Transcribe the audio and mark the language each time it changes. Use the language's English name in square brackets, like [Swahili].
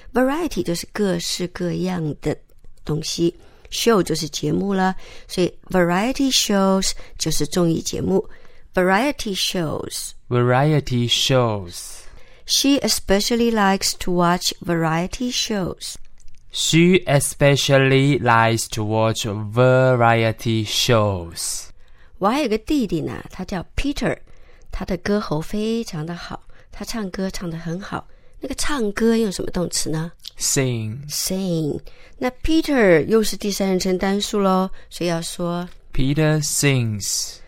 [Chinese] Variety 就是各式各样的东西 Show 就是节目了所以 Variety Shows 就是综艺节目 Variety Shows [English] Variety Shows She especially likes to watch variety shows. She especially likes to watch variety shows. [Chinese] 我还有个弟弟呢，他叫 Peter， 他的歌喉非常的好，他唱歌唱得很好。那个唱歌用什么动词呢 [English] ？Sing. Sing. [Chinese] 那 Peter 又是第三人称单数咯，所以要说 [English] Peter sings.